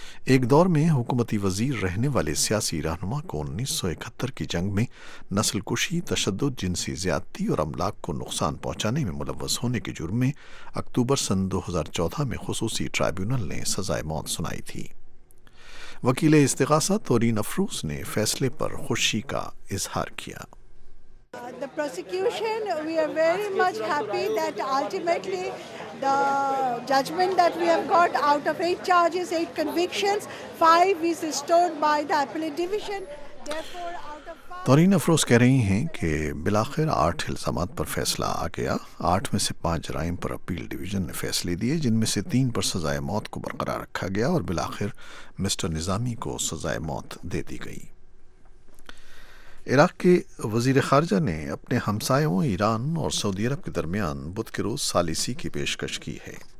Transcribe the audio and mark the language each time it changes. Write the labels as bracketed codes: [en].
[ur] ایک دور میں حکومتی وزیر رہنے والے سیاسی رہنما کو 1971 کی جنگ میں نسل کشی، تشدد، جنسی زیادتی اور املاک کو نقصان پہنچانے میں ملوث ہونے کے جرم میں اکتوبر سن 2014 میں خصوصی ٹرائبیونل نے سزائے موت سنائی تھی۔ وکیل استغاثہ تورین افروز نے فیصلے پر خوشی کا اظہار کیا۔ [en] The prosecution, we are very much happy that ultimately the judgment that we have got out of 8 charges, 8 convictions, 5 is restored by the appellate division. Therefore, out of 5... [ur] تورین افروز کہہ رہی ہیں کہ بالآخر 8 الزامات پر فیصلہ آ گیا. 8 میں سے 5 جرائم پر اپیل ڈویژن نے فیصلے دیے, جن میں سے 3 پر سزائے موت کو برقرار رکھا گیا اور بالآخر مسٹر نظامی کو سزائے موت دے دی گئی. عراق کے وزیر خارجہ نے اپنے ہمسایوں ایران اور سعودی عرب کے درمیان بدھ کے روز ثالثی کی پیشکش کی ہے.